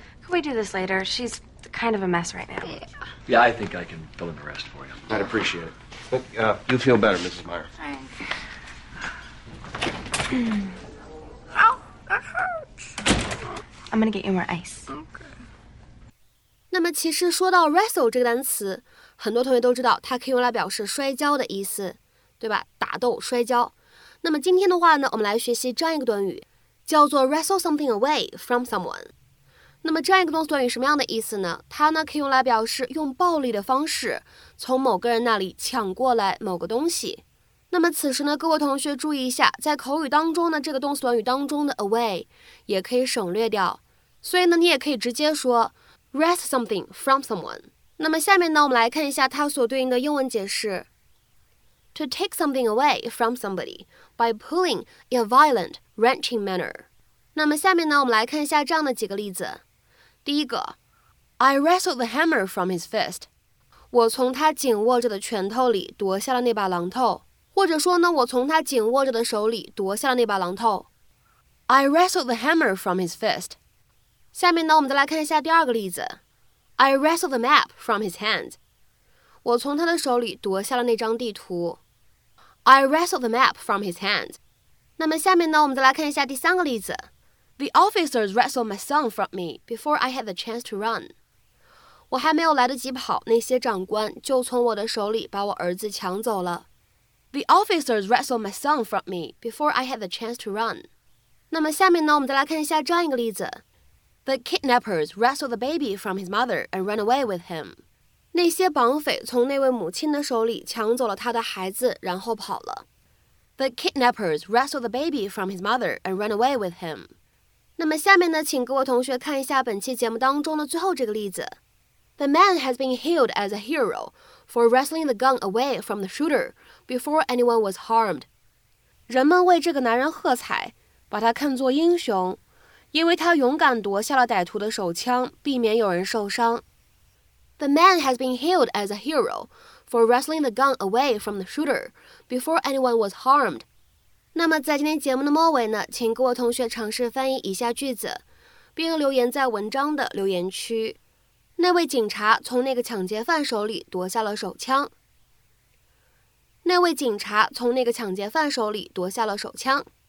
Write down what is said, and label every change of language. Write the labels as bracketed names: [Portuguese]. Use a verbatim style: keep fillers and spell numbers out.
[English] Can we do this later? She's... kind of a mess right now. Yeah. yeah, I think I can fill in the rest for you. I'd appreciate it. Look, uh, you'll feel better, Missus Meyer. Thanks. Ow, that hurts. I'm gonna get you more ice. Okay. [Chinese] 那么其实说到 wrestle 这个单词，很多同学都知道它可以用来表示摔跤的意思，对吧？打斗、摔跤。那么今天的话呢，我们来学习这样一个短语，叫做 [English] wrestle something away from someone。 [Chinese] 那么这样一个动词短语什么样的意思呢？它呢可以用来表示用暴力的方式从某个人那里抢过来某个东西。那么此时呢，各位同学注意一下，在口语当中呢，这个动词短语当中的 away 也可以省略掉，所以呢，你也可以直接说 [English] wrest something from someone。 [Chinese] 那么下面呢，我们来看一下它所对应的英文解释 ： [English] to take something away from somebody by pulling in a violent, wrenching manner。 [Chinese] 那么下面呢，我们来看一下这样的几个例子。第一个 [English] I wrestled the hammer from his fist， [Chinese] 我从他紧握着的拳头里夺下了那把榔头，或者说呢，我从他紧握着的手里夺下了那把榔头。I wrestled the hammer from his fist，下面呢，我们再来看一下第二个例子。 [English] I wrestled the map from his hand. [Chinese] 我从他的手里夺下了那张地图。 [English] I wrestled the map from his hand. [Chinese] 那么下面呢，我们再来看一下第三个例子。 [English] The officers wrestled my son from me before I had the chance to run. [Chinese] 我还没有来得及跑，那些长官就从我的手里把我儿子抢走了。 [English] The officers wrestled my son from me before I had the chance to run. [Chinese] 那么下面呢，我们再来看一下这样一个例子。 [English] The kidnappers wrestled the baby from his mother and ran away with him. [Chinese] 那些绑匪从那位母亲的手里抢走了他的孩子，然后跑了。 [English] The kidnappers wrestled the baby from his mother and ran away with him. [Chinese] 那么下面呢，请各位同学看一下本期节目当中的最后这个例子。 [English] The man has been hailed as a hero for wrestling the gun away from the shooter before anyone was harmed. [Chinese] 人们为这个男人喝彩，把他看作英雄。因为他勇敢夺下了歹徒的手枪，避免有人受伤。 [English] The man has been hailed as a hero for wrestling the gun away from the shooter before anyone was harmed. [Chinese] 那么在今天节目的末尾呢，请各位同学尝试翻译以下句子，并留言在文章的留言区。那位警察从那个抢劫犯手里夺下了手枪。那位警察从那个抢劫犯手里夺下了手枪。